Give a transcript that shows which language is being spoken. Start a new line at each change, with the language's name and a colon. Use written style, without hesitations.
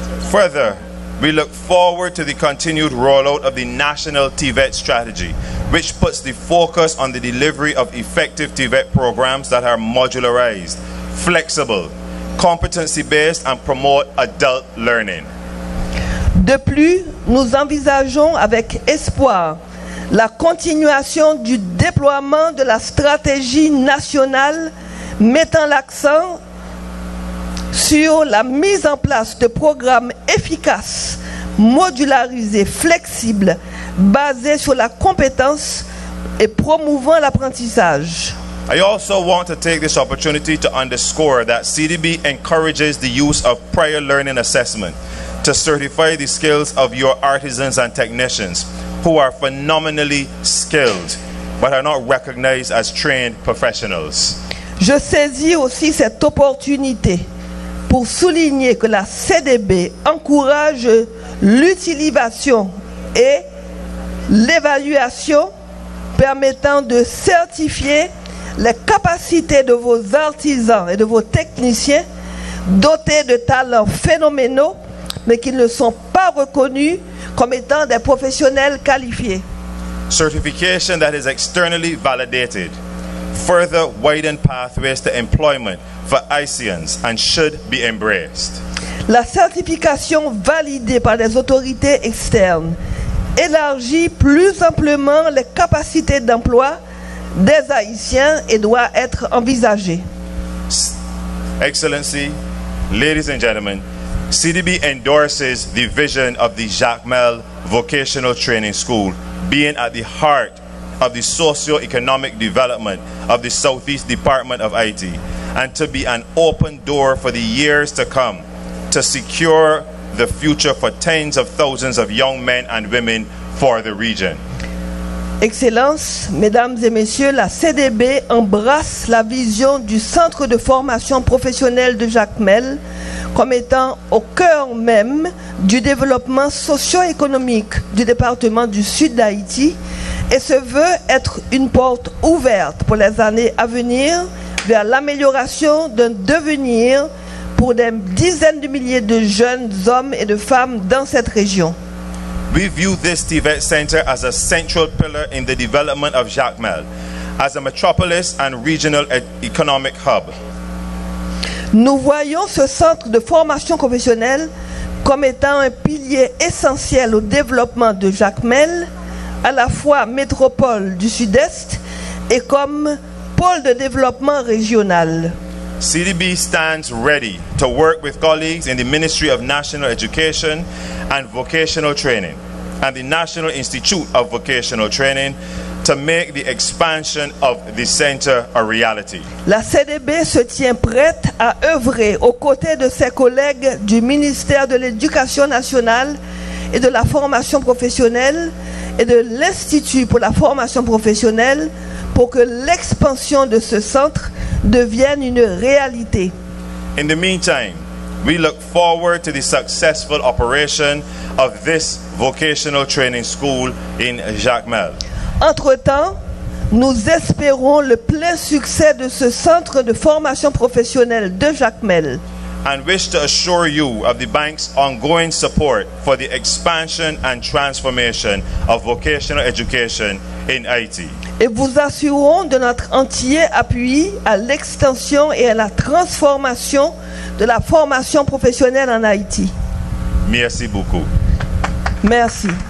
English: Further, we look forward to the continued rollout of the national TVET strategy, which puts the focus on the delivery of effective TVET programs that are modularized, flexible, competency-based and promote adult learning.
French: De plus, nous envisageons avec espoir la continuation du déploiement de la stratégie nationale mettant l'accent sur la mise en place de programmes efficaces, modularisés, flexibles, basés sur la compétence et promouvant l'apprentissage.
English: I also want to take this opportunity to underscore that CDB encourages the use of prior learning assessment to certify the skills of your artisans and technicians who are phenomenally skilled but are not recognized as trained professionals.
French: Je saisis aussi cette opportunité pour souligner que la CDB encourage l'utilisation et l'évaluation permettant de certifier les capacités de vos artisans et de vos techniciens dotés de talents phénoménaux mais qui ne sont pas reconnus comme étant des professionnels qualifiés.
English: Certification that is externally validated further widen pathways to employment for Haitians and should be embraced.
French: La certification validée par des autorités externes élargit plus amplement les capacités d'emploi des Haïtiens et doit être envisagé.
English: Excellency, ladies and gentlemen, CDB endorses the vision of the Jacques Mel Vocational Training School being at the heart of the socio-economic development of the Southeast Department of Haiti and to be an open door for the years to come to secure the future for tens of thousands of young men and women for the region.
French: Excellences, Mesdames et Messieurs, la CDB embrasse la vision du Centre de formation professionnelle de Jacques Mel comme étant au cœur même du développement socio-économique du département du Sud d'Haïti et se veut être une porte ouverte pour les années à venir vers l'amélioration d'un devenir pour des dizaines de milliers de jeunes hommes et de femmes dans cette région.
English: We view this TVET center as a central pillar in the development of Jacques Mel, as a metropolis and regional economic hub.
French: Nous voyons ce centre de formation professionnelle comme étant un pilier essentiel au développement de Jacques Mel, à la fois métropole du Sud-Est et comme pôle de développement régional.
English: CDB stands ready to work with colleagues in the Ministry of National Education and Vocational Training and the National Institute of Vocational Training to make the expansion of the center a reality.
French: La CDB se tient prête à œuvrer aux côtés de ses collègues du ministère de l'Éducation nationale et de la formation professionnelle et de l'Institut pour la formation professionnelle pour que l'expansion de ce centre devienne une réalité.
English: In the meantime, we look forward to the successful operation of this vocational training school in Jacmel.
French: Entre-temps, nous espérons le plein succès de ce centre de formation professionnelle de Jacmel.
English: And wish to assure you of the bank's ongoing support for the expansion and transformation of vocational education in Haiti.
French: Et vous assurons de notre entier appui à l'extension et à la transformation de la formation professionnelle en Haïti. Merci beaucoup. Merci.